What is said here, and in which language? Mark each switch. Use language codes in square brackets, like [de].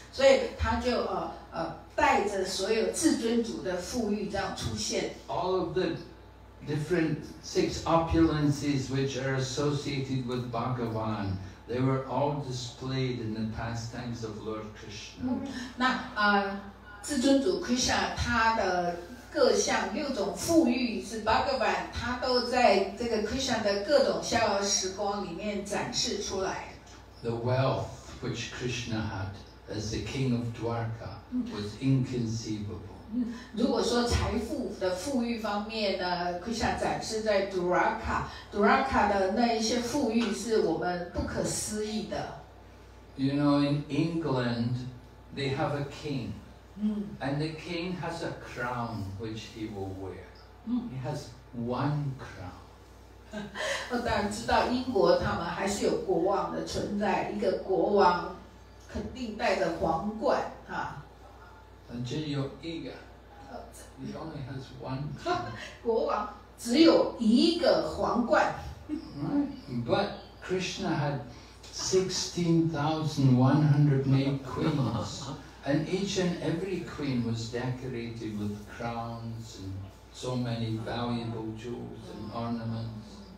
[zh] 所以他就带着所有至尊主的富裕这样出现。 [en] All of the different six opulences which are associated with Bhagavan. They were all displayed in the pastimes of Lord Krishna. [zh] 那啊，至尊主 Krishna 他的各项六种富裕是 Bhagavan， 他都在这个 Krishna 的各种逍遥时光里面展示出来。 [en] The wealth which Krishna had as the king of Dwarka was inconceivable. [zh] 如果说财富的富裕方面呢 ，Krishna 展示在 Dwarka， Dwarka 的那一些富裕是我们不可思议的。 [en] You know, in England, they have a king, and the king has a crown which he will wear. He has one crown. [zh] 我当然知道英国他们还是有国王的存在，一个国王肯定戴着皇冠哈。 [en] And just your ego, he only has one. [zh] 国王只有一个皇冠。 [en] But Krishna had 16,108 queens, and each and every queen was decorated with crowns and so many valuable jewels and ornaments.